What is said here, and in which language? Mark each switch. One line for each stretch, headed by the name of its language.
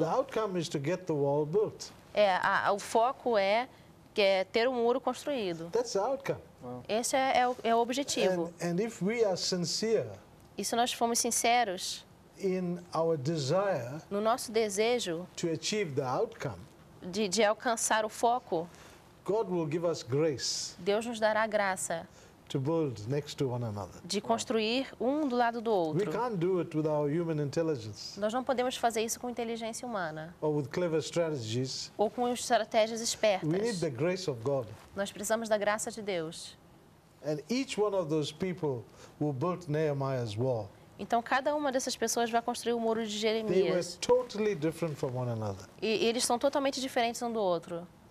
English: The outcome is to get the wall built.
Portuguese: É, o foco é que ter um muro construído.
English: That's the outcome.
Portuguese: Esse é o objetivo.
English: And if we are sincere,
Portuguese: e se nós formos sinceros
English: in our desire,
Portuguese: no nosso desejo
English: to achieve the outcome,
Portuguese: de alcançar o foco,
English: God will give us grace,
Portuguese: Deus nos dará graça
English: to build next to one another,
Portuguese: de construir um do lado do outro.
English: We can't do it with our human intelligence,
Portuguese: nós não podemos fazer isso com inteligência humana
English: or with clever strategies,
Portuguese: ou com estratégias espertas.
English: We need the grace of God.
Portuguese: Nós precisamos da graça de Deus.
English: And each one of those people who built Nehemiah's wall.
Portuguese: Então cada uma dessas pessoas vai construir o muro de Jeremias.
English: They were totally different from one another.
Portuguese: E eles são totalmente diferentes um do outro.